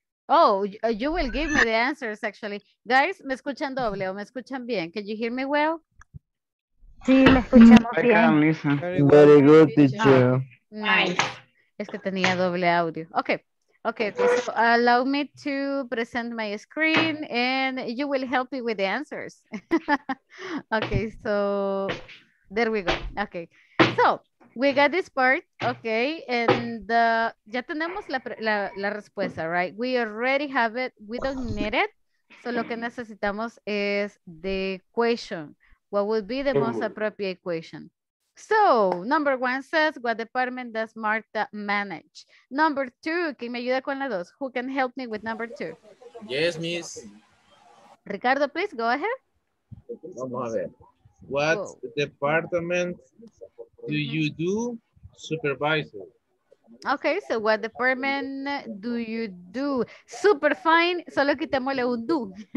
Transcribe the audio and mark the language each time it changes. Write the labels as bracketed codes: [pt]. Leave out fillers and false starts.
[en] Oh, you will give me the answers, actually. [es] Guys, ¿me escuchan doble o me escuchan bien? [en] Can you hear me well? [es] Sí, me escuchamos bien. [en] I can listen. Very good, teacher. [es] Nice. Es que tenía doble audio. Okay. [en] Okay, so allow me to present my screen and you will help me with the answers. Okay, so there we go. Okay, so we got this part, okay, and [es] ya tenemos la respuesta, [en] right? We already have it, we don't need it. So [es] lo que necesitamos es [en] the question. What would be the most appropriate question? So, number one says, what department does Marta manage? Number two, [es] ¿quién me ayuda con la dos? [en] Who can help me with number two? Yes, miss. Ricardo, please, go ahead. [es] Vamos a ver. [en] What department do you do, supervisor? Okay, so what department do you do? Super fine, [es] solo quitémosle un do.